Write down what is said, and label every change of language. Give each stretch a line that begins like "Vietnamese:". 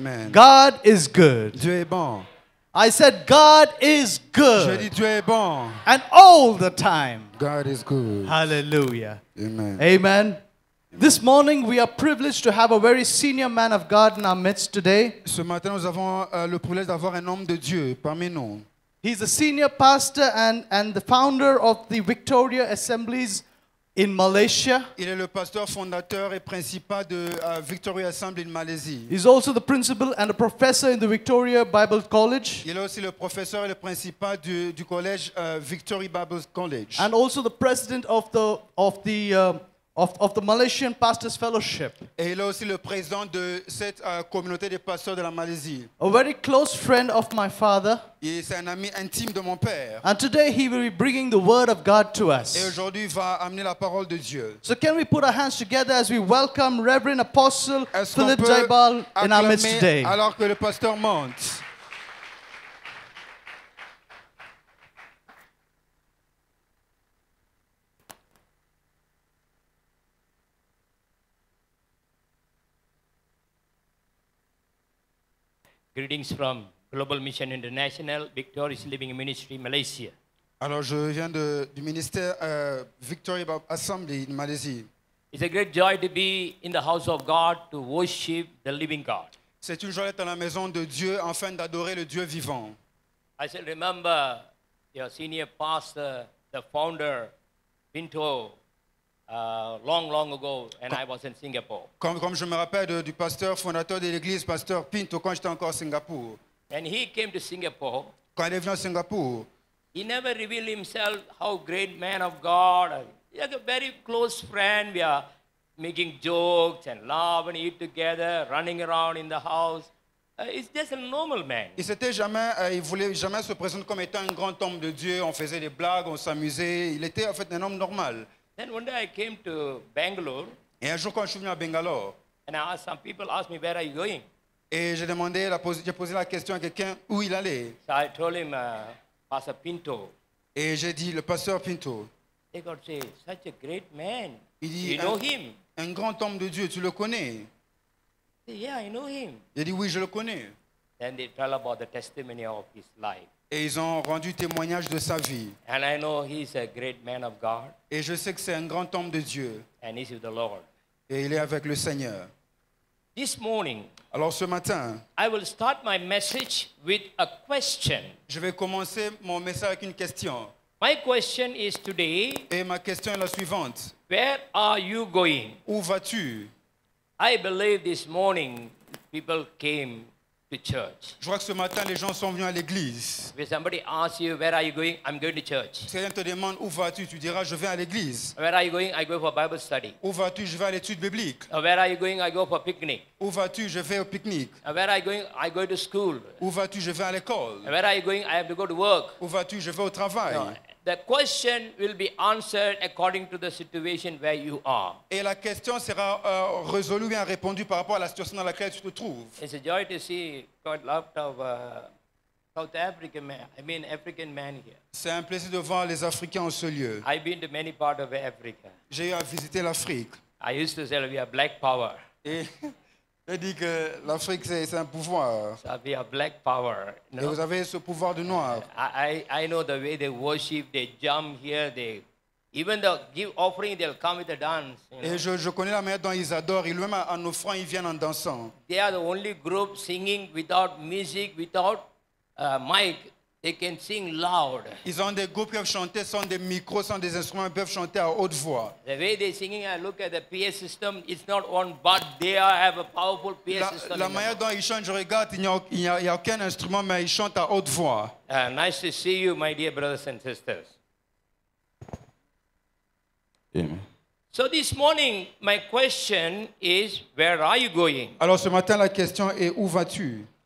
English: God is good.
French: Dieu est bon.
English: I said God is good.
French: Je dis, Dieu est bon.
English: And all the time. God is good. Hallelujah. Amen. Amen. Amen. This morning we are privileged to have a very senior man of God in our midst today.
French: Ce matin nous avons le privilège d'avoir un homme de Dieu parmi nous.
English: He's a senior pastor and the founder of the Victoria Assemblies in Malaysia.
French: Il est le pasteur fondateur et principal de Victoria Assembly in Malaysia.
English: He's also the principal and a professor in the Victoria Bible College.
French: Il est aussi le professeur et le principal du collège Victoria Bible College.
English: And also the president of the Malaysian Pastors Fellowship.
French: Et il est aussi le président de cette communauté des pasteurs de la Malaisie.
English: A very close friend of my father.
French: Et c'est un ami intime de mon père.
English: And today he will be bringing the word of God to us.
French: Et aujourd'hui il va amener la parole de Dieu.
English: So can we put our hands together as we welcome Reverend Apostle
French: Est-ce
English: Philip Jayabalan in our midst today?
French: Alors que le pasteur monte.
English: Greetings from Global Mission International, Victorious Living Ministry, Malaysia.
French: Alors, je viens du ministère Victoria Assembly in Malaysia.
English: It's a great joy to be in the house of God to worship the living God.
French: C'est une joie d'être dans la maison de Dieu afin d'adorer le Dieu vivant.
English: I still remember your senior pastor, the founder, Pinto. Long ago, and I was in Singapore.
French: Comme je me rappelle du pasteur fondateur de l'église, pasteur Pinto, quand j'étais encore à Singapour.
English: And he came to Singapore.
French: Quand il est venu à Singapour.
English: He never revealed himself how great man of God. He's like a very close friend. We are making jokes and laugh and eat together, running around in the house. He's just a normal man.
French: Il s'était jamais, il voulait jamais se présenter comme étant un grand homme de Dieu. On faisait des blagues, on s'amusait. Il était en fait un homme normal.
English: Then one day I came to Bangalore.
French: Et un jour quand je suis venu à Bangalore.
English: And I asked some people, asked me, where are you going?
French: Et j'ai demandé, j'ai posé la question à quelqu'un, où il allait?
English: So I told him, Pastor Pinto.
French: Et j'ai dit, le pasteur Pinto.
English: They got to say, such a great man.
French: Il dit,
English: you know him?
French: Un grand homme de Dieu, tu le connais?
English: Yeah, I know him.
French: Il dit, oui, je le connais.
English: Then they tell about the testimony of his life.
French: Et ils ont rendu témoignage de sa vie.
English: And I know he's a great man of God.
French: Et je sais que c'est un grand homme de Dieu.
English: And he's with the Lord.
French: Et il est avec le Seigneur.
English: This morning,
French: alors ce matin,
English: I will start my message with a question.
French: Je vais commencer mon message avec une question.
English: My question is today.
French: Et ma question est la suivante.
English: Where are you going?
French: Où vas-tu?
English: I believe this morning people came to church.
French: Je crois que ce matin les gens sont venus à l'église.
English: If somebody asks you where are you going, I'm going to church.
French: Si quelqu'un te demande où vas-tu, tu diras je vais à l'église.
English: Where are you going? I go for Bible study.
French: Où vas-tu? Je vais à l'étude biblique.
English: Where are you going? I go for picnic.
French: Où vas-tu? Je vais au pique-nique.
English: Where are you going? I go to school.
French: Où vas-tu? Je vais à l'école.
English: Where are you going? I have to go to work.
French: Où vas-tu? Je vais au travail.
English: No. The question will be answered according to the situation where you are.
French: Et la question sera résolue et répondue par rapport à la situation dans laquelle tu te trouves.
English: It's a joy to see quite a lot of South African men. I mean, African men here.
French: C'est un plaisir de voir les Africains en ce lieu.
English: I've been to many parts of Africa.
French: J'ai eu à visiter l'Afrique.
English: I used to say we are black power.
French: Je dis que l'Afrique c'est un pouvoir.
English: So we have black power.
French: No? Et vous avez ce pouvoir de noir.
English: I know the way they worship, they jump here, they even the give offering they'll come with a dance. You know?
French: Et je connais la manière dont ils adorent. Ils même en offrant ils viennent en dansant.
English: They are the only group singing without music, without mic. They can sing loud.
French: Ils ont des groupes qui peuvent chanter sans des micros, sans des instruments, ils peuvent chanter à haute voix.
English: The way they're singing, I look at the PA system, it's not on, but they have a powerful PA system.
French: La manière dont ils chantent, je regarde, il n'y a aucun instrument, mais ils chantent à haute voix.
English: Nice to see you, my dear brothers and sisters. Amen. So this morning, my question is, where are you going?
French: Alors ce matin, la question est, où vas-tu?